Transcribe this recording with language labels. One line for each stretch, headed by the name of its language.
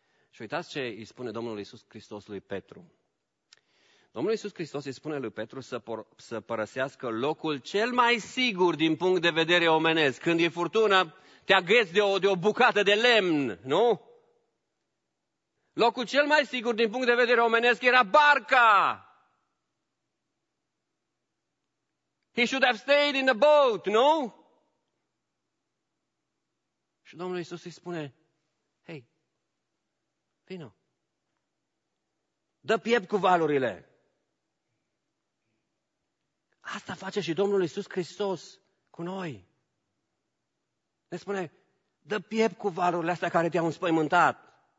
Romanian: Și uitați ce îi spune Domnul Iisus Hristos lui Petru. Domnul Iisus Hristos îi spune lui Petru să părăsească locul cel mai sigur din punct de vedere omenesc. Când e furtună, te agăți de o bucată de lemn, nu? Locul cel mai sigur din punct de vedere omenesc era barca.
English: He should have stayed in the boat, nu?
Romanian: Și Domnul Iisus îi spune, hei, vino, dă piept cu valurile. Asta face și Domnul Iisus Hristos cu noi. Ne spune, dă piept cu valurile astea care te-au înspăimântat.